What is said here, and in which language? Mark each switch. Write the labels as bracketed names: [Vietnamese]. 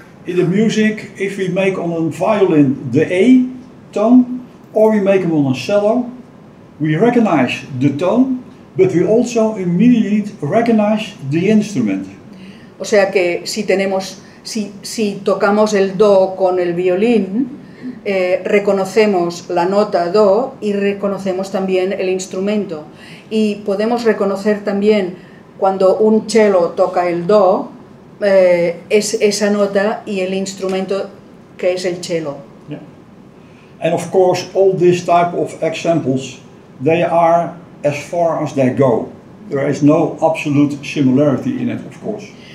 [English] In the music, if we make on a violin the A tone, or we make them on a cello, we recognize the tone, but we also immediately recognize the instrument. [Spanish] O sea que si tenemos, si tocamos el do con el violín, reconocemos la nota do y reconocemos también el instrumento. Y podemos reconocer también cuando un cello toca el do, es esa nota y el instrumento que es el cello. [English] Yeah. And of course, all these type of examples, they are as far as they go. There is no absolute similarity in it, of course.